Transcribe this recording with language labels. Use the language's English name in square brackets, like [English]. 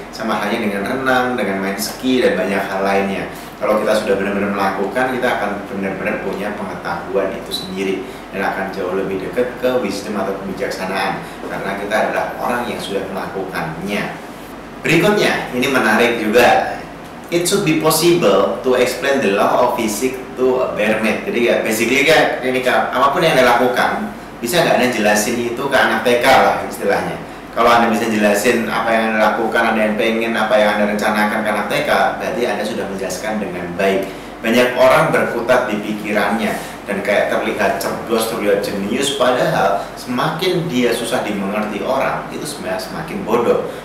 [Indonesian] Sama halnya dengan renang, dengan main ski, dan banyak hal lainnya. Kalau kita sudah benar-benar melakukan, kita akan benar-benar punya pengetahuan itu sendiri, dan akan jauh lebih dekat ke wisdom atau kebijaksanaan, karena kita adalah orang yang sudah melakukannya. Berikutnya, ini menarik juga. [English] It should be possible to explain the law of physics to a bare mat. [Indonesian] Jadi ya, basically ya, ini apapun yang Anda lakukan, bisa nggak Anda jelasin itu ke anak TK lah istilahnya. Kalau Anda bisa jelasin apa yang Anda lakukan, Anda yang pengen, apa yang Anda rencanakan ke anak TK, berarti Anda sudah menjelaskan dengan baik. Banyak orang berkutat di pikirannya dan kayak terlihat cerdas, terlihat jenius, padahal semakin dia susah dimengerti orang, itu sebenarnya semakin bodoh.